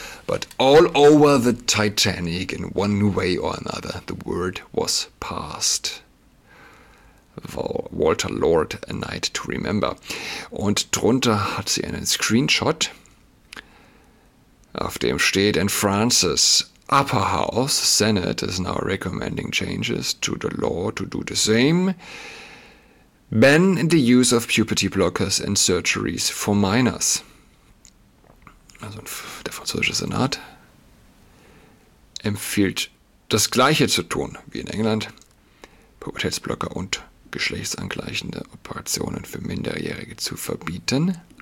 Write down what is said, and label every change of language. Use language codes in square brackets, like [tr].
[en] But all over the Titanic, in one way or another, the word was passed. Walter Lord, A Night to Remember. [de] Und drunter hat sie einen Screenshot, auf dem steht, in [en] Francis, Upper House, Senate is now recommending changes to the law to do the same. Ban the use of puberty blockers in surgeries for minors. [de] Also der französische Senat empfiehlt, das Gleiche zu tun wie in England. Pubertätsblocker und geschlechtsangleichende Operationen für Minderjährige zu verbieten.